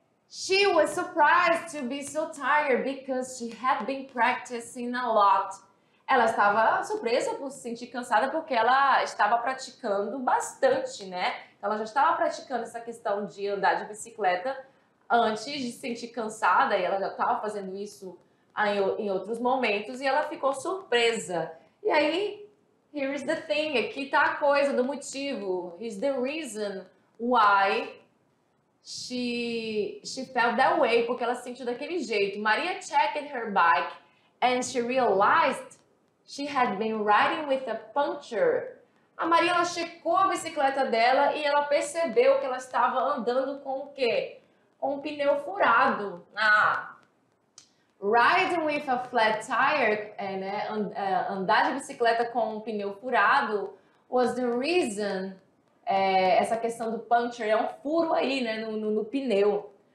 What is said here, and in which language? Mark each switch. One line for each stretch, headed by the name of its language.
English: She was surprised to be so tired because she had been practicing a lot.
Portuguese: Ela estava surpresa por se sentir cansada porque ela estava praticando bastante, né? Ela já estava praticando essa questão de andar de bicicleta antes de se sentir cansada e ela já estava fazendo isso em outros momentos e ela ficou surpresa. E aí,
English: here is the thing,
Portuguese: aqui está a coisa do motivo.
English: Is the reason why she felt that way,
Portuguese: porque ela se sentiu daquele jeito.
English: Maria checked her bike and she realized she had been riding with a puncture.
Portuguese: A Maria, ela checou a bicicleta dela e ela percebeu que ela estava andando com o quê? Com um pneu furado. Ah!
English: Riding with a flat tire,
Portuguese: andar de bicicleta com um pneu furado,
English: was the reason,
Portuguese: essa questão do puncture, é um furo aí, né, no pneu.